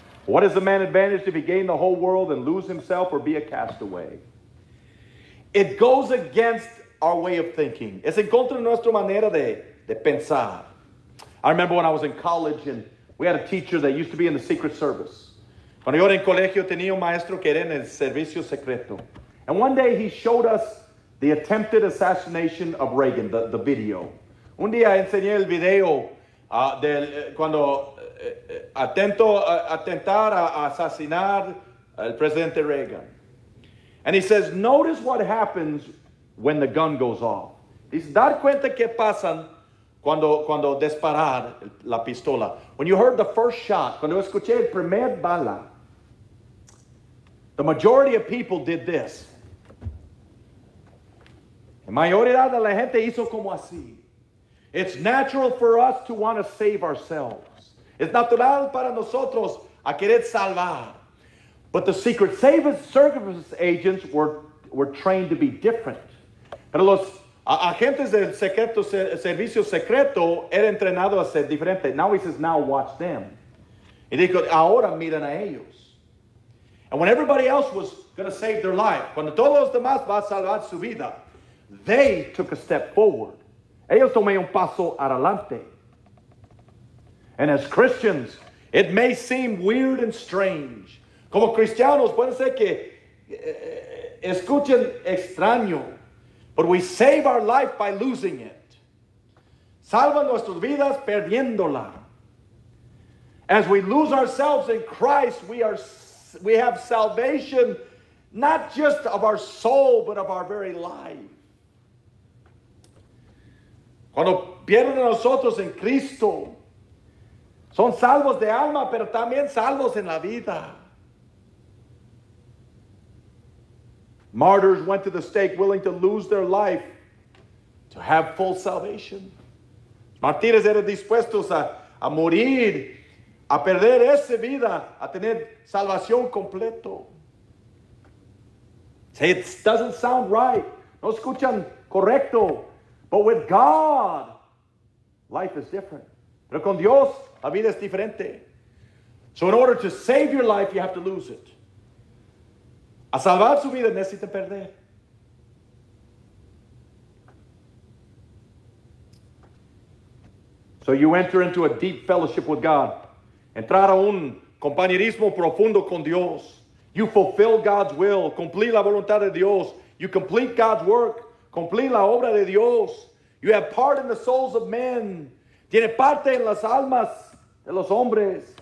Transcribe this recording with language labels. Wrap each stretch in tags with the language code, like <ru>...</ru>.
<en>What is a man advantaged if he gain the whole world and lose himself or be a castaway? It goes against our way of thinking.</en> <es>Es en contra nuestra manera de pensar.</es> <en>I remember when I was in college and we had a teacher that used to be in the Secret Service.</en> <es>Cuando yo era en colegio tenía un maestro que era en el servicio secreto.</es> <en>And one day he showed us The attempted assassination of Reagan, the video.</en> <es>Un día enseñé el video del cuando atento atentar a asesinar al presidente Reagan.</es> <en>And he says, notice what happens when the gun goes off.</en> <es>Dice, dar cuenta que pasan cuando disparar la pistola.</es> <en>When you heard the first shot,</en> <es>cuando escuché el primer bala,</es> <en>the majority of people did this.</en> <es>La mayoría de la gente hizo como así.</es> <en>It's natural for us to want to save ourselves.</en> <es>Es natural para nosotros a querer salvar.</es> <en>But the secret service agents were trained to be different.</en> <es>Pero los agentes del servicio secreto eran entrenados a ser diferente.</es> <en>Now he says, now watch them.</en> <es>Y dijo, ahora miren a ellos.</es> <en>And when everybody else was going to save their life,</en> <es>cuando todos los demás van a salvar su vida,</es> <en>they took a step forward.</en> <es>Ellos tomé un paso adelante.</es> <en>And as Christians, it may seem weird and strange.</en> <es>Como cristianos, puede ser que escuchen extraño.</es> <en>But we save our life by losing it.</en> <es>Salva nuestras vidas perdiéndola.</es> <en>As we lose ourselves in Christ, we have salvation, not just of our soul, but of our very life.</en> <es>Cuando pierden nosotros en Cristo, son salvos de alma, pero también salvos en la vida.</es> <en>Martyrs went to the stake willing to lose their life to have full salvation.</en> <es>Martyrs eran dispuestos a morir, a perder esa vida, a tener salvación completo. Say, it doesn't sound right. No escuchan correcto.</es> <en>But with God, life is different.</en> <es>Pero con Dios, la vida es diferente.</es> <en>So in order to save your life, you have to lose it.</en> <es>A salvar su vida, necesita perder.</es> <en>So you enter into a deep fellowship with God.</en> <es>Entrar a un compañerismo profundo con Dios.</es> <en>You fulfill God's will.</en> <es>Cumplir la voluntad de Dios.</es> <en>You complete God's work.</en> <es>Cumplir la obra de Dios.</es> <en>You have part in the souls of men.</en> <es>Tiene parte en las almas de los hombres.</es>